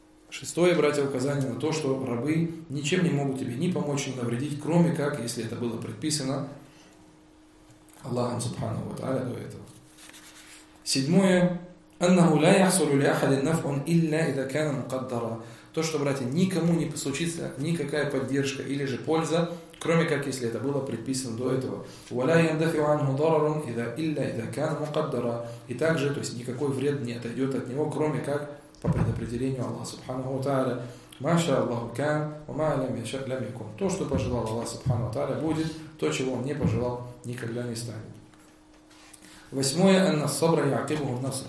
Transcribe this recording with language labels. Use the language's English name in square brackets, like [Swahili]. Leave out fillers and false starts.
[Russian] Шестое, братья, указание на то, что рабы ничем не могут тебе ни помочь, ни навредить, кроме как, если это было предписано Аллахом Субханаху ва Тааля до этого. Седьмое. [Arabic] Аннаху ля яхсулю ля ахадин нафун илля ида кана мукаддара. [Russian] То, что, братья, никому не случится никакая поддержка или же польза, кроме как, если это было предписано до этого. [Arabic] وَلَا يَنْدَفِعُ عَنْهُ ضَرَرٌ إِلَّا إِذَا كَانَ مُقَدَّرًا. [Russian] И также, то есть никакой вред не отойдет от него, кроме как по предопределению Аллаха Субханаху Тааля. [Arabic] مَا شَاءَ اللَّهُ كَانَ وَمَا لَمْ يَكُنْ. [Russian] То, что пожелал Аллах Субханаху Тааля, будет. То, чего он не пожелал, никогда не станет. Восьмое. [Arabic] أَنَّ الصَّبْرَ يَعْقِبُهُ النَّصْرُ.